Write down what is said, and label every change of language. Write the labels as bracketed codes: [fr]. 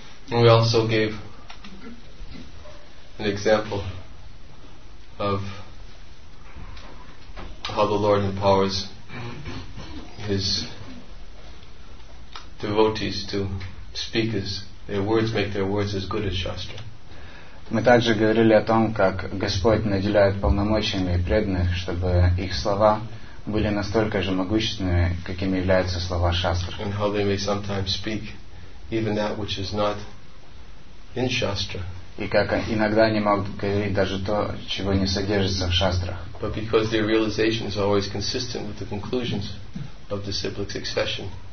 [en] We also gave an example of how the Lord empowers his devotees to speak as their words make their words as good as Shastra. [ru] Мы также говорили о том, как Господь наделяет полномочиями преданных, чтобы их слова были настолько же могущественными, какими являются слова Шастры. [en] And how they may sometimes speak even that which is not in Shastra. [ru] И как иногда они могут говорить даже то, чего не содержится в Шастрах. [en] But because their realization is always consistent with the conclusions of the cyclic succession.